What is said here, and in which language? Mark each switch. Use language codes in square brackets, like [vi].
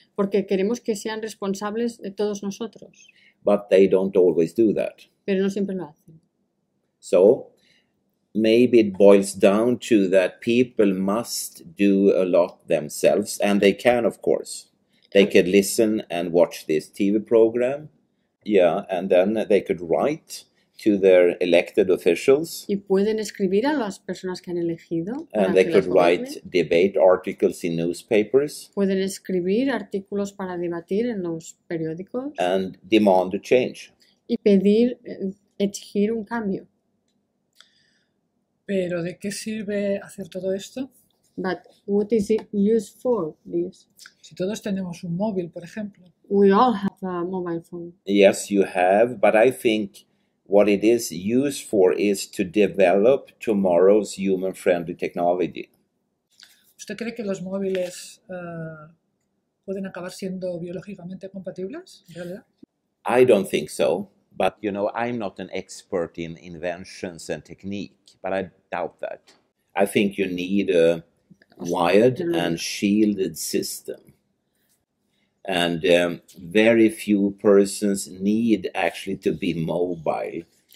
[es] Porque queremos que sean responsables de todos nosotros. [en] But they don't always do that. [es] Pero no siempre lo hacen. [en] So, maybe it boils down to that people must do a lot themselves, and they can, of course. They could listen and watch this TV program, yeah, and then they could write to their elected officials. [es] Y pueden escribir a las personas que han elegido. [en] And they could write debate articles in newspapers. [es] Pueden escribir artículos para debatir en los periódicos. [en] And demand a change. [es] Y pedir, exigir un cambio. Pero ¿de qué sirve hacer todo esto? [en] But what is it used for, this? [es] Si todos tenemos un móvil, por ejemplo. [en] We all have a mobile phone. Yes, you have, but I think what it is used for is to develop tomorrow's human-friendly technology. [es] ¿Usted cree que los móviles pueden acabar siendo biológicamente compatibles, en realidad? [en] I don't think so, but you know, I'm not an expert in inventions and technique, but I doubt that. I think you need a wired and shielded system. And very few persons need actually to be mobile.